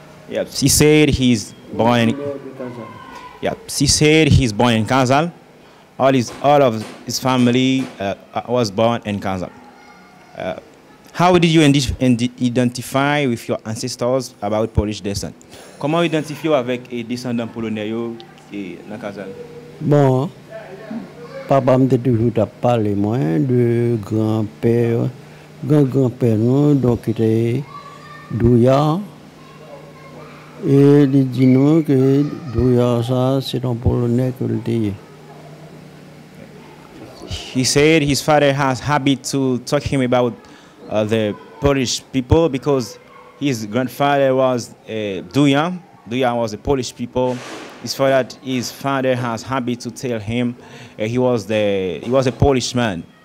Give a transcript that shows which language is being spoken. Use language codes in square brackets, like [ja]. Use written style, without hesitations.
[en] Yep, he said he's born in. Yeah, he said he's born in Casal. All of his family was born in Casal. How did you identify with your ancestors about Polish descent? [fr] Comment identifiez-vous avec les descendants polonais qui sont à Casal? Bon, papa m'a toujours parlé moi de grand-père non, donc il était Douya. Et il dit nous que Douya ça c'est un polonais que le dit. [en] He said his father has habit to talk him about the Polish people because his grandfather was Douya. Douya was a Polish people. It's for that his father has habit to tell him he was a Polish man.